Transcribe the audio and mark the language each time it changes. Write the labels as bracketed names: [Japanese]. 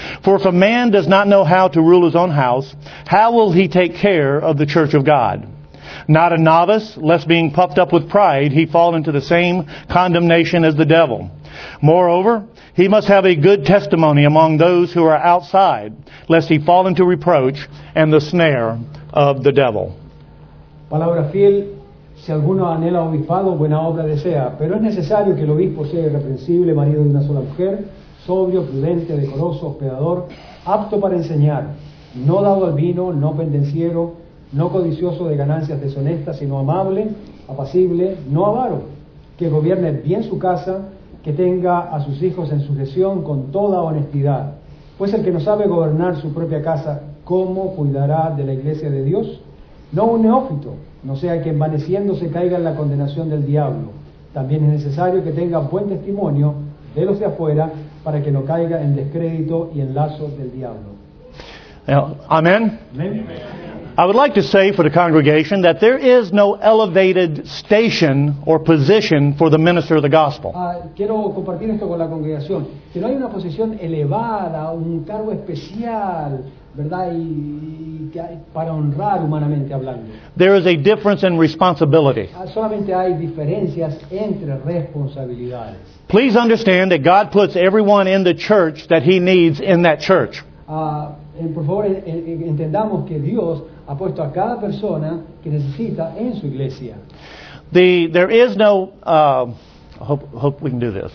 [English] For if a man does not know how to rule his own house, how will he take care of the church of God? Not a novice, lest being puffed up with pride, he fall into the same condemnation as the devil. Moreover, he must have a good testimony among those who are outside, lest he fall into reproach and the snare of the devil. [Spanish] Palabra fiel, si alguno anhela obispado, buena obra desea. Pero es necesario que el obispo sea irreprensible, marido de una sola mujer, sobrio, prudente, decoroso, hospedador, apto para enseñar, no dado al vino, no pendenciero, no codicioso de ganancias deshonestas, sino amable, apacible, no avaro, que gobierne bien su casa, que tenga a sus hijos en sujeción con toda honestidad. Pues el que no sabe gobernar su propia casa, ¿cómo cuidará de la iglesia de Dios? No un neófito, no sea que envaneciéndose caiga en la condenación del diablo. También es necesario que tenga buen testimonio de los de afuera para que no caiga en descrédito y en lazos del diablo. Amén. Amén. [English] I would like to say for the congregation that there is no elevated station or position for the minister of the gospel. [Spanish] Quiero compartir esto con la congregación, que no hay una posición elevada, un cargo especial, ¿verdad? Y para honrar humanamente hablando. [English] There is a difference in responsibility. [Spanish] Solamente hay diferencias entre responsabilidades. [English] Please understand that God puts everyone in the church that he needs in that church. [Spanish] Por favor, entendamos que Dios ha puesto a cada persona que necesita en su iglesia. [English] There is no hope we can do this.